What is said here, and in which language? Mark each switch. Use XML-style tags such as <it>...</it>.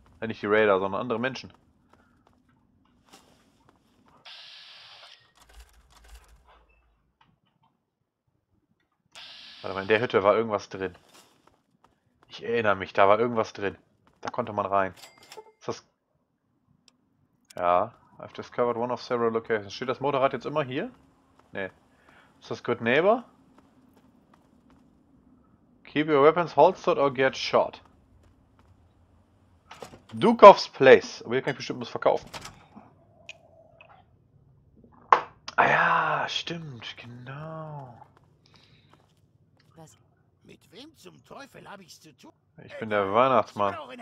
<de>Ja, nicht die Raider, sondern andere Menschen. Warte mal, in der Hütte war irgendwas drin. Ich erinnere mich, da war irgendwas drin. Da konnte man rein. Ist das.</de> <en>Ja, I've discovered one of several locations.</en> <de>Steht das Motorrad jetzt immer hier? Nee. Ist das Good Neighbor?</de> <en>Keep your weapons holstered or get shot.</en> <de>Dukovs Place. Aber hier kann ich bestimmt was verkaufen. Ah ja, stimmt, genau. Was? Mit wem zum Teufel habe ich's zu tun? Ich bin der Weihnachtsmann.</de>